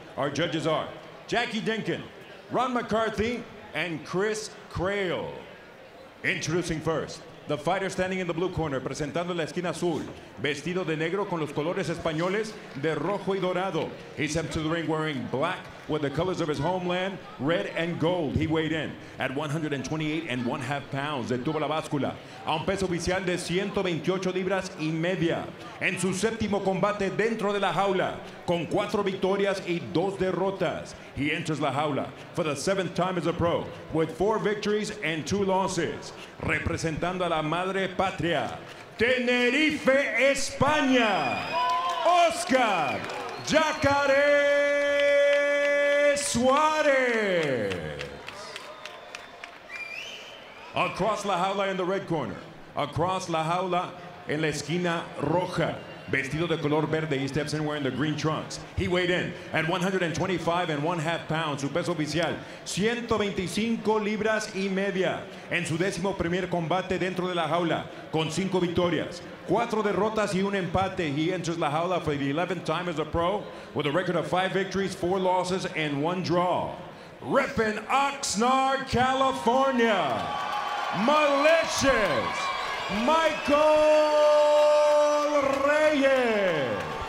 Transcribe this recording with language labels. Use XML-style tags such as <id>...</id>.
<en>Our judges are Jackie Dinkin, Ron McCarthy, and Chris Crail. Introducing first, the fighter standing in the blue corner,</en> <es>presentando la esquina azul, vestido de negro con los colores españoles de rojo y dorado.</es> <en>He steps to the ring wearing black with the colors of his homeland, red and gold. He weighed in at 128.5 pounds.</en> <es>Detuvo la báscula a un peso oficial de 128 libras y media. En su séptimo combate dentro de la jaula, con cuatro victorias y dos derrotas.</es> <en>He enters la jaula for the seventh time as a pro, with four victories and two losses.</en> <es>Representando a la madre patria, Tenerife, España, Oscar Jacaré Suarez.</es> <en>Across la jaula in the red corner, across la jaula</en> <es>en la esquina roja, vestido de color verde,</es> <en>he steps in wearing the green trunks. He weighed in at 125.5 pounds.</en> <es>Su peso oficial, 125 libras y media. En su décimo primer combate dentro de la jaula, con cinco victorias, cuatro derrotas y un empate.</es> <en>He enters la jaula for the 11th time as a pro with a record of 5 victories, 4 losses, and 1 draw. Repping Oxnard, California, Malicious Michael Reyes.</en>